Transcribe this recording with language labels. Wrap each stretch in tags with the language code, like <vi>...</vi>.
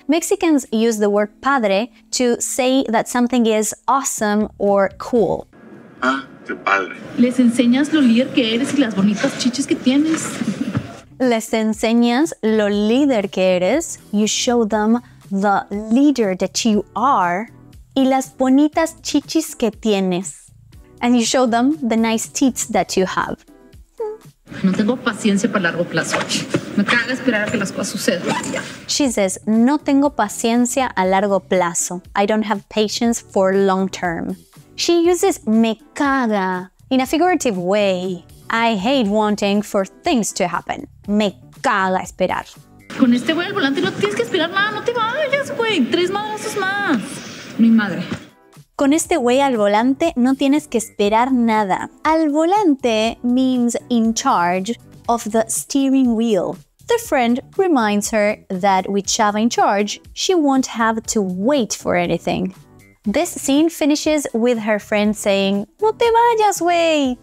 <en>Mexicans use the word padre to say that something is awesome or cool.</en> <es>Ah, qué padre. Les enseñas lo líder que eres y las bonitas chiches que tienes. Les enseñas lo líder que eres.</es> <en>You show them the leader that you are</en> <es>y las bonitas chiches que tienes.</es> <en>And you show them the nice teats that you have.</en> <es>No tengo paciencia para largo plazo. Me caga esperar a que las cosas sucedan.</es> <en>She says,</en> <es>no tengo paciencia a largo plazo.</es> <en>I don't have patience for long term. She uses</en> <es>me caga</es> <en>in a figurative way. I hate wanting for things to happen.</en> <es>Me caga esperar. Con este güey al volante no tienes que esperar nada. No te vayas, güey. Tres madrazos más. Mi madre. Con este güey al volante no tienes que esperar nada.</es> <en>Al volante means in charge of the steering wheel. The friend reminds her that with Chava in charge, she won't have to wait for anything. This scene finishes with her friend saying,</en> <es>"No te vayas, güey!</es>